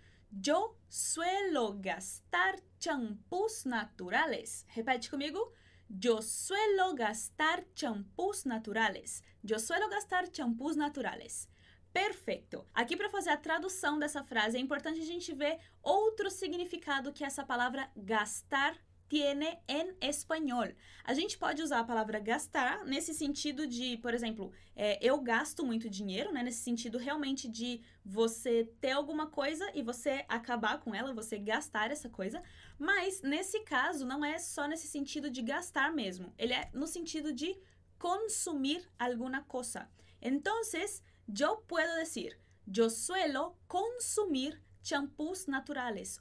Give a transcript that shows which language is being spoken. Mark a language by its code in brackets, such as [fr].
[es] Yo suelo gastar champús naturales. [pt] Repete comigo. [es] Yo suelo gastar champús naturales. Yo suelo gastar champús naturales. [pt] Perfeito. Aqui para fazer a tradução dessa frase, é importante a gente ver outro significado que essa palavra gastar [es] tiene en español. [pt] A gente pode usar a palavra gastar nesse sentido de, por exemplo, eu gasto muito dinheiro, né? Nesse sentido realmente de você ter alguma coisa e você acabar com ela, você gastar essa coisa. Mas nesse caso não é só nesse sentido de gastar mesmo. Ele é no sentido de consumir [es] alguna cosa. Entonces, yo puedo decir, yo suelo consumir champús naturales.